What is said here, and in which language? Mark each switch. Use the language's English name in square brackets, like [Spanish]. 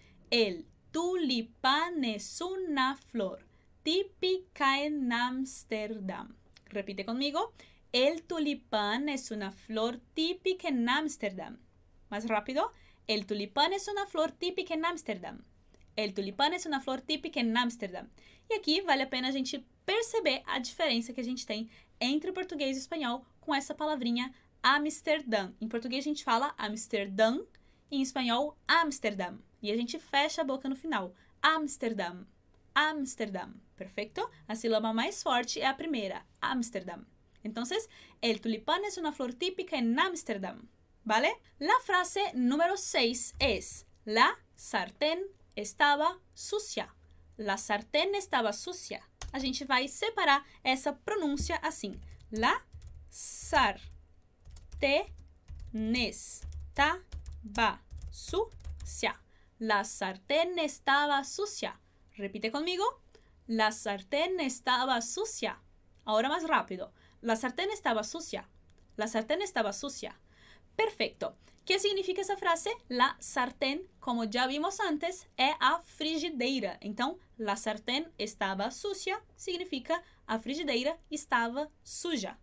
[Spanish] El tulipán es una flor típica en Ámsterdam. Repite conmigo. El tulipán es una flor típica en Ámsterdam. Más rápido. El tulipán es una flor típica en Ámsterdam. El tulipán es una flor típica en Ámsterdam. Y aquí [Portuguese] vale a pena a gente perceber a diferença que a gente tem entre o português e o espanhol com essa palavrinha Amsterdam. Em português a gente fala Amsterdam e em espanhol Amsterdam. E a gente fecha a boca no final. Amsterdam. Amsterdam. Perfeito? A sílaba mais forte é a primeira. Amsterdam. [Spanish] Então, el tulipán es una flor típica en Ámsterdam. ¿Vale? La frase número 6 es: la sartén estaba sucia. La sartén estaba sucia. [Portuguese] A gente vai separar essa pronúncia assim: [Spanish] la sartén estaba sucia. La sartén estaba sucia. Repite conmigo. La sartén estaba sucia. Ahora más rápido. La sartén estaba sucia. La sartén estaba sucia. Perfecto. ¿Qué significa esa frase? La sartén, como ya vimos antes, [Portuguese] é a frigideira. Então, [Spanish] la sartén estaba sucia [Portuguese] significa a frigideira estava suja.